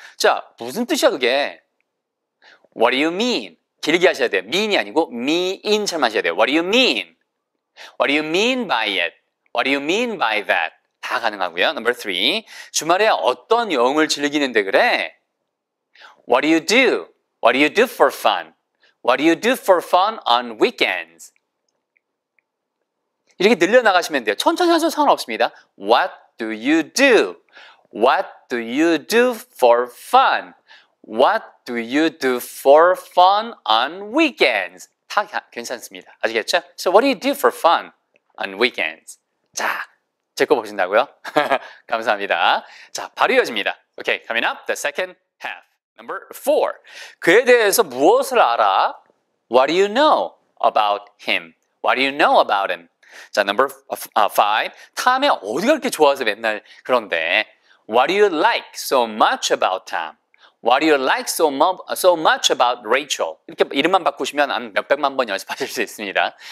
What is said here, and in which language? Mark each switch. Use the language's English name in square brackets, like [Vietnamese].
[Korean] 자, 무슨 뜻이야 그게? [English] What do you mean? [Korean] 길게 하셔야 돼요. mean이 아니고 mean처럼 하셔야 돼요. [English] What do you mean? What do you mean by it? What do you mean by that? [Korean] 다 가능하고요. [English] Number three. [Korean] 주말에 어떤 여행을 즐기는데 그래? [English] What do you do? What do you do for fun? What do you do for fun on weekends? [Korean] 이렇게 늘려나가시면 돼요. 천천히 하셔도 상관없습니다. [English] What do you do? What do you do for fun? What do you do for fun on weekends? [Korean] 다 괜찮습니다. 아시겠죠? [English] So what do you do for fun on weekends? [Korean] 자, 제 거 보신다고요? 감사합니다. 자, 바로 이어집니다. [English] Okay, coming up, the second half. Number four. [Korean] 그에 대해서 무엇을 알아? [English] What do you know about him? What do you know about him? 자, number five. [Korean] 탐에 어디가 그렇게 좋아서 맨날 그런데. [English] What do you like so much about Tom? What do you like so much about Rachel? [Korean] 이렇게 이름만 바꾸시면 한 몇백만 번 연습하실 수 있습니다.